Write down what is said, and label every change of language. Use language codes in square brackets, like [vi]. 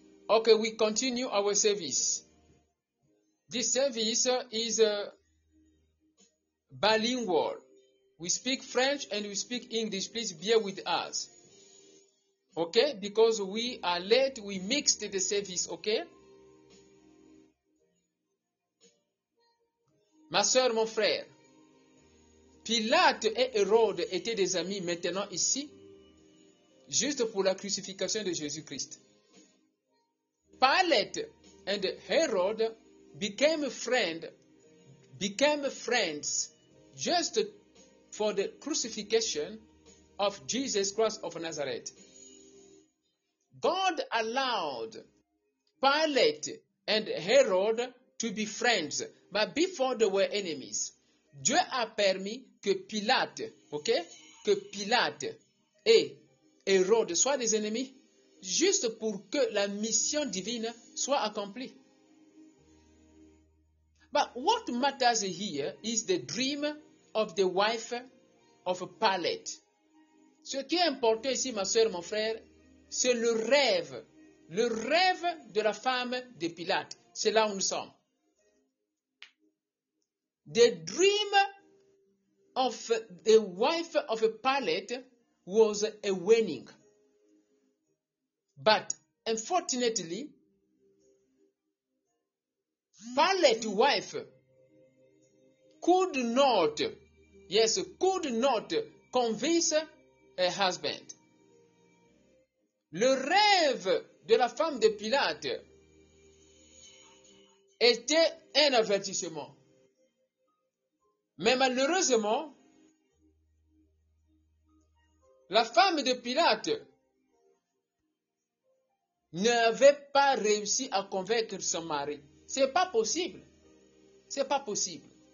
[en] Okay, we continue our service. This service is bilingual. We speak French and we speak English. Please bear with us. Okay, because we are late, we mixed the service, okay? [fr] Ma soeur, mon frère, Pilate et Hérode étaient des amis maintenant ici, juste pour la crucifixion de Jésus-Christ. [en] Pilate and Herod became friends just for the crucifixion of Jesus Christ of Nazareth. God allowed Pilate and Herod to be friends, but before they were enemies. [fr] Dieu a permis que Pilate, okay, que Pilate et Hérode soient des ennemis, juste pour que la mission divine soit accomplie. [en] But what matters here is the dream of the wife of Pilate. [fr] Ce qui est important ici, ma soeur, mon frère, c'est le rêve de la femme de Pilate. C'est là où nous sommes. [en] The dream of the wife of Pilate was a wedding. But unfortunately, Pilate's wife could not convince her husband. [fr] Le rêve de la femme de Pilate était un avertissement. Mais malheureusement, la femme de Pilate n'avait pas réussi à convaincre son mari. C'est pas possible. C'est pas possible.